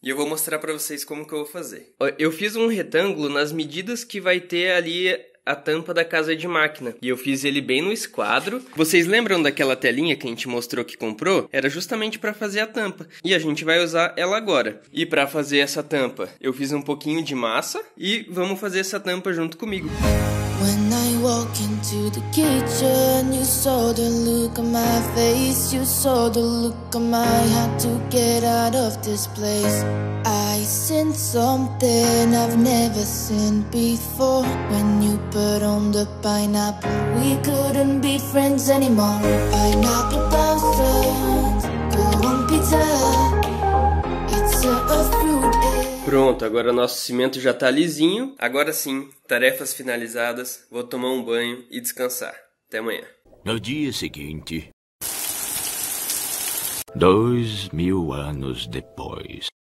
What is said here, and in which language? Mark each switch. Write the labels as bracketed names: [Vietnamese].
[Portuguese] E eu vou mostrar pra vocês como que eu vou fazer. Eu fiz um retângulo nas medidas que vai ter ali a tampa da casa de máquina. E eu fiz ele bem no esquadro. Vocês lembram daquela telinha que a gente mostrou que comprou? Era justamente para fazer a tampa. E a gente vai usar ela agora. E para fazer essa tampa, eu fiz um pouquinho de massa. E vamos fazer essa tampa junto comigo. [English] When I walk into the kitchen, you saw the look on my face. You saw the look on my heart to get out of this place. I sense something I've never seen before. When you put on the pineapple, we couldn't be friends anymore. Pineapple bastards, go on pizza. It's a fruit. [Portuguese] Pronto, agora nosso cimento já tá lisinho. Agora sim, tarefas finalizadas. Vou tomar um banho e descansar. Até amanhã. No dia seguinte. 2000 anos depois.